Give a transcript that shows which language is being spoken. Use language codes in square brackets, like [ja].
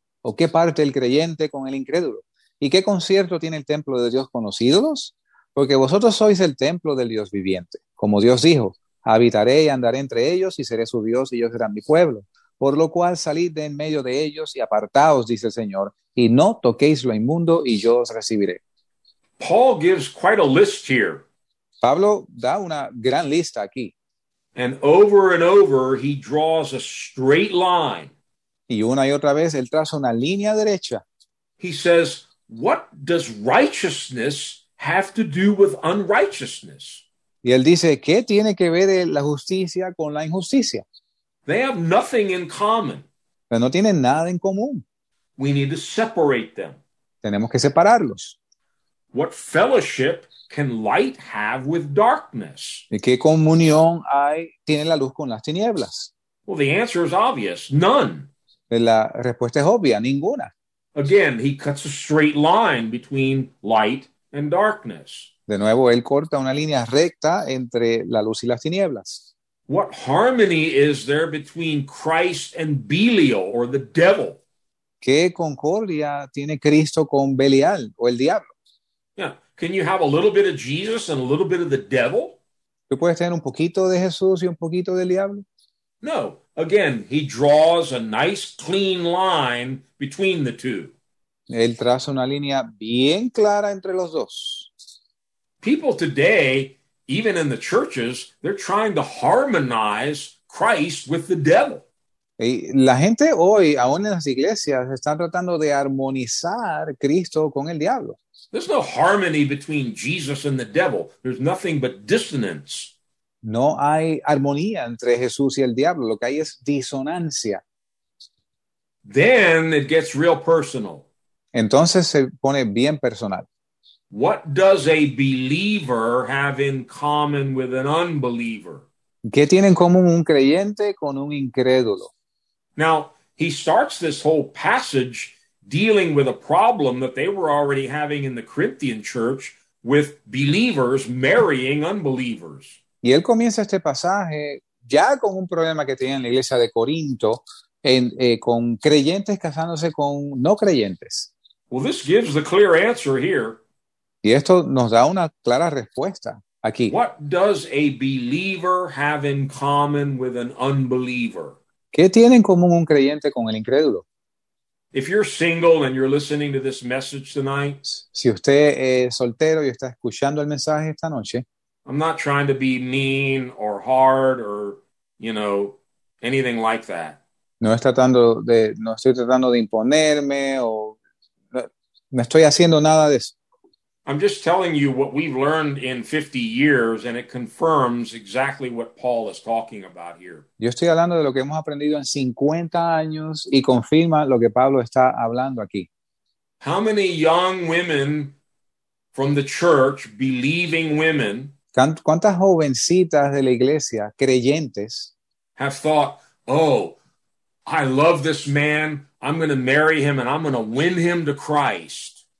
[es] ¿O qué parte el creyente con el incrédulo? ¿Y qué concierto tiene el templo de Dios con los ídolos? Porque vosotros sois el templo del Dios viviente. Como Dios dijo, habitaré y andaré entre ellos y seré su Dios y ellos serán mi pueblo. Por lo cual salid de en medio de ellos y apartaos, dice el Señor, y no toquéis lo inmundo y yo os recibiré. [en] Paul gives quite a list here. [es] Pablo da una gran lista aquí. [en] And over he draws a straight line. [es] Y una y otra vez él traza una línea derecha. [en] He says, what does righteousness have to do with unrighteousness? [es] Y él dice, ¿qué tiene que ver la justicia con la injusticia? [en] They have nothing in common. [es] Pero no tienen nada en común. [en] We need to separate them. [es] Tenemos que separarlos. [en] What fellowship can light have with darkness? [es] ¿Y qué comunión tiene la luz con las tinieblas? [en] Well, the answer is obvious. None. [es] La respuesta es obvia. Ninguna. [en] Again, he cuts a straight line between light and darkness. [es] De nuevo, él corta una línea recta entre la luz y las tinieblas. [en] What harmony is there between Christ and Belial, or the devil? [es] ¿Qué concordia tiene Cristo con Belial, o el diablo? [en] Yeah, can you have a little bit of Jesus and a little bit of the devil? [es] ¿Tú puedes tener un poquito de Jesús y un poquito del diablo? [en] No. Again, he draws a nice clean line between the two. [es] Él traza una línea bien clara entre los dos. [en] People today, even in the churches, they're trying to harmonize Christ with the devil. [es] Y la gente hoy, aún en las iglesias, están tratando de armonizar Cristo con el diablo. [en] There's no harmony between Jesus and the devil. There's nothing but dissonance. [es] No hay armonía entre Jesús y el diablo. Lo que hay es disonancia. [en] Then it gets real personal. [es] Entonces se pone bien personal. [en] What does a believer have in common with an unbeliever? [es] ¿Qué tiene en común un creyente con un incrédulo? [en] Now, he starts this whole passage dealing with a problem that they were already having in the Corinthian church with believers marrying unbelievers. [es] Y él comienza este pasaje ya con un problema que tenía en la iglesia de Corinto con creyentes casándose con no creyentes. [en] Well, this gives the clear answer here. [es] Y esto nos da una clara respuesta aquí. [en] What does a believer have in common with an unbeliever? [es] ¿Qué tiene en común un creyente con el incrédulo? [en] If you're single and you're listening to this message tonight, [es] si usted es soltero y está escuchando el mensaje esta noche, [en] I'm not trying to be mean or hard or, you know, anything like that. [es] No estoy tratando de imponerme o no estoy haciendo nada de eso. [en] I'm just telling you what we've learned in 50 years, and it confirms exactly what Paul is talking about here. [es] Yo estoy hablando de lo que hemos aprendido en 50 años y confirma lo que Pablo está hablando aquí. [en] How many young women from the church, believing women, [es] ¿cuántas jovencitas de la iglesia, creyentes, [en] have thought, oh, I love this man, I'm going to marry him and I'm going to win him to Christ?